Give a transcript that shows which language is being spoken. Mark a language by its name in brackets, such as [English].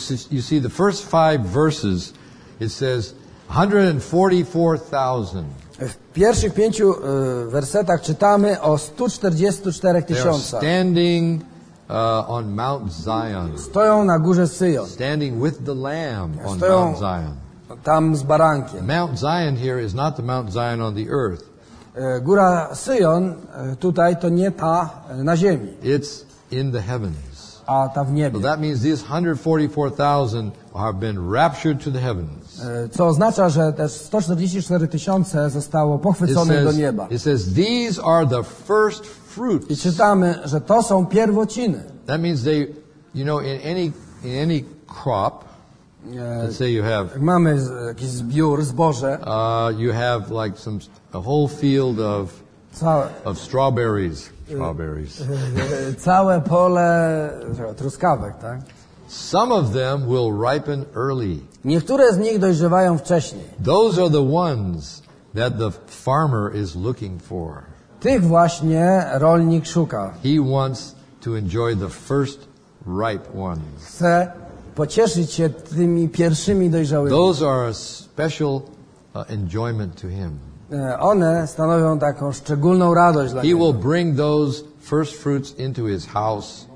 [English] you see the first five verses, it says 144,000. [Polish] W pierwszych pięciu wersetach czytamy o 144 tysiącach. [English] Standing on Mount Zion. [Polish] Stoją na górze Syjon. [English] Standing with the Lamb on Mount Zion. [Polish] Tam z barankiem. [English] Mount Zion here is not the Mount Zion on the earth. [Polish] Góra Syjon tutaj to nie ta na ziemi. [English] It's in the heavens. [Polish] A ta w niebie. [English] So that means these 144,000 have been raptured to the heavens. [Polish] Co oznacza, że też 144 tysiące zostało pochwycone do nieba. [English] It says, these are the first fruits. [Polish] I czytamy, że to są pierwociny. [English] That means they, you know, in any crop, let's say you have, [Polish] mamy jakiś zbiór, zboże. [English] You have like some, a whole field of strawberries. Strawberries. [Polish] Całe pole truskawek, tak? [English] Some of them will ripen early. [Polish] Niektóre z nich dojrzewają wcześniej. [English] Those are the ones that the farmer is looking for. [Polish] Tych właśnie rolnik szuka. [English] He wants to enjoy the first ripe ones. [Polish] Chce pocieszyć się tymi pierwszymi dojrzałymi. [English] Those are a special enjoyment to him. [Polish] One stanowią taką szczególną radość dla niego. [English] He will bring those first fruits into his house.